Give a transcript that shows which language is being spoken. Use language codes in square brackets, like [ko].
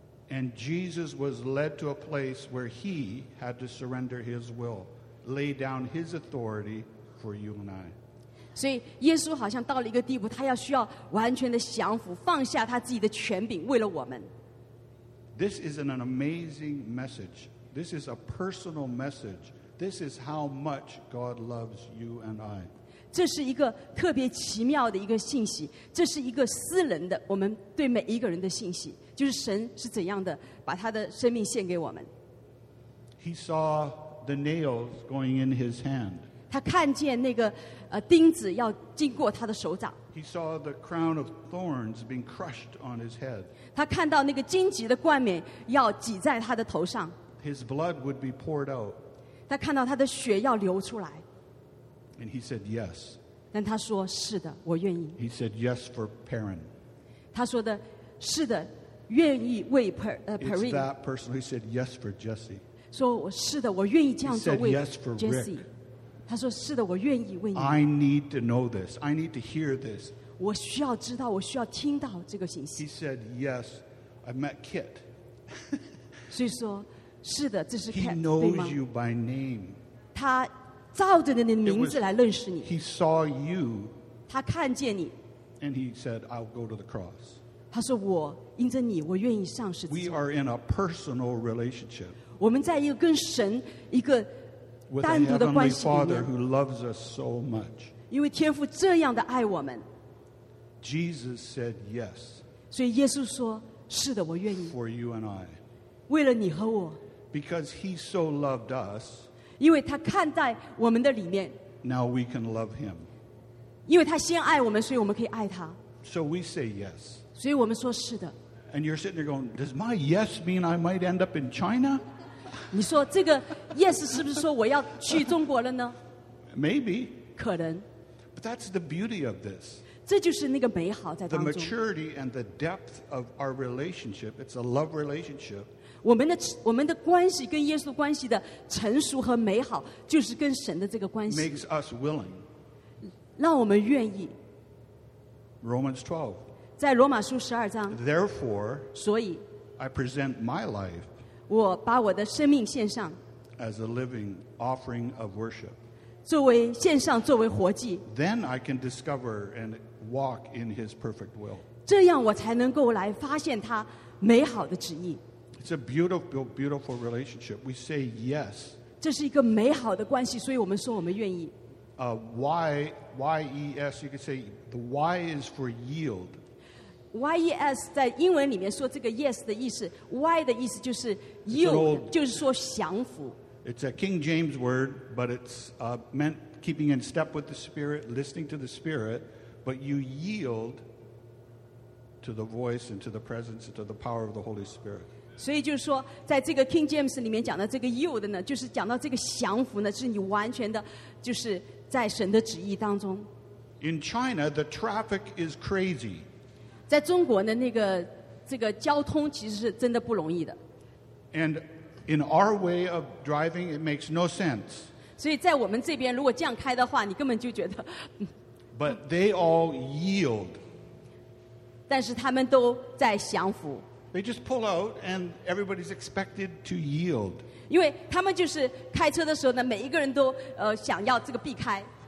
[en] And Jesus was led to a place where he had to surrender his will, lay down his authority for you and I. [zh] 所以耶稣好像到了一个地步，他要需要完全的降服，放下他自己的权柄，为了我们。 [en] This is an amazing message. This is a personal message. This is how much God loves you and I. [zh] 这是一个特别奇妙的一个信息，这是一个私人的，我们对每一个人的信息，就是神是怎样的把他的生命献给我们。 [en] He saw the nails going in his hand. [zh] 他看见那个钉子要经过他的手掌。 [en] He saw the crown of thorns being crushed on his head. [zh] 他看到那个荆棘的冠冕要挤在他的头上。 [en] His blood would be poured out. [zh] 他看到他的血要流出来。 [en] And he said yes. [zh] 但他说是的，我愿意。 [en] He said yes for Perrin. [zh] 他说的是的，愿意为Perrin。 [en] It's that person who said yes for Jesse. [zh] 说是的，我愿意这样做为Jesse。 [en] He said yes for Rick. [zh] 他说是的，我愿意为你。 [en] I need to know this. I need to hear this. [zh] 我需要知道，我需要听到这个信息。 [en] He said yes. I met Kit. [zh] 所以说，是的，这是Kit。 [en] He knows you by name. [zh] 他 照着你的名字来认识你。 [en] He saw you. [zh] 他看见你。 [en] And he said, "I'll go to the cross." [zh] 他说我因着你，我愿意上十字架。 [en] We are in a personal relationship. [zh] 我们在一个跟神一个单独的关系里面。 [en] With a heavenly Father who loves us so much. [zh] 因为天父这样的爱我们。 [en] Jesus said yes. [zh] 所以耶稣说是的，我愿意。 [en] For you and I. [zh] 为了你和我。 [en] Because he so loved us. [zh] 因为他看在我们的里面, [en] now we can love him. [zh] 因为他先爱我们, [en] so we say yes. [zh] 所以我们说是的。 [en] And you're sitting there going, does my yes mean I might end up in China? [zh] 你说这个yes是不是说我要去中国了呢? [en] Maybe. [zh] 可能。 [en] But that's the beauty of this. [zh] 这就是那个美好在当中。 [en] The maturity and the depth of our relationship, it's a love relationship. [zh] 我们的关系跟耶稣关系的成熟和美好，就是跟神的这个关系。 [en] Makes us willing. [zh] 让我们愿意。 [en] Romans 12. [zh] 在罗马书12章。 [en] Therefore, [zh] 所以, [en] I present my life. [zh] 我把我的生命献上。 [en] As a living offering of worship. [zh] 作为献上，作为活祭。 [en] Then I can discover and walk in His perfect will. [zh] 这样我才能够来发现他美好的旨意。 [en] It's a beautiful, beautiful relationship. We say yes. [zh] 这是一个美好的关系, 所以我们说我们愿意。 [en] Y-E-S, you could say the Y is for yield. [zh] Y-E-S 在英文里面说这个yes的意思, Y的意思就是yield, 就是说降服。 [en] It's a King James word, but it's meant keeping in step with the Spirit, listening to the Spirit, but you yield to the voice and to the presence and to the power of the Holy Spirit. [zh] 所以就是说在这个King James里面讲的这个yield呢 就是讲到这个降服呢 是你完全的就是在神的旨意当中。 [en] In China, the traffic is crazy. [zh] 在中国呢 那个这个交通其实是真的不容易的。 [en] And in our way of driving, it makes no sense. [zh] 所以在我们这边如果这样开的话 你根本就觉得 [en] But they all yield. [zh] 但是他们都在降服。 [en] They just pull out, and everybody's expected to yield. [zh] 因为他们就是开车的时候呢，每一个人都想要这个避开。